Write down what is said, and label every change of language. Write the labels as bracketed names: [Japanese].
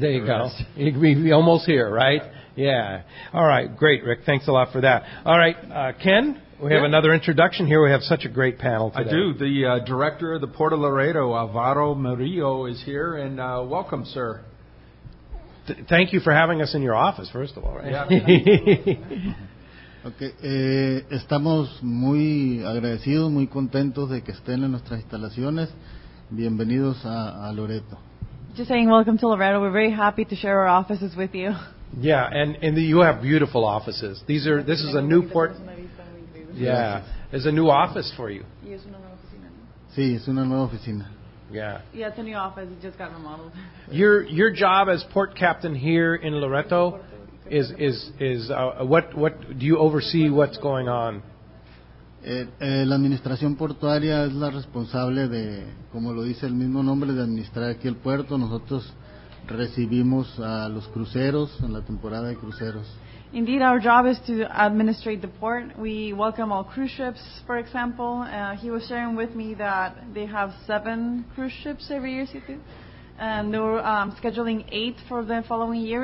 [English] there you go. You can be almost here, right? Yeah. All right, great, Rick. Thanks a lot for that. All right, Ken, we have another introduction here. We have such a great panel today. I do. The director of the Port of Laredo, Alvaro Murillo, is here, and welcome, sir. Thank you for having us in your office, first of all. Right? Yeah. Okay. [Spanish] Estamos muy agradecidos, muy contentos de que estén en nuestras instalaciones. Bienvenidos a Loreto. [English] Just saying welcome to Loreto. We're very happy to share our offices with you. Yeah, and you have beautiful offices. This is a new port. Yeah. It's a new office for you. [Spanish] Sí, es una nueva oficina. [English] Yeah, it's a new office. It just got remodeled. Your job as port captain here in Loreto is what do you oversee? What's going on? [Spanish] La administración portuaria es la responsable de, como lo dice el mismo nombre, de administrar aquí el puerto. Nosotros recibimos a los cruceros en la temporada de cruceros. [English] Indeed, our job is to administrate the port. We welcome all cruise ships, for example. He was sharing with me that they have 7 cruise ships every year, Situ, and they're scheduling 8 for the following year.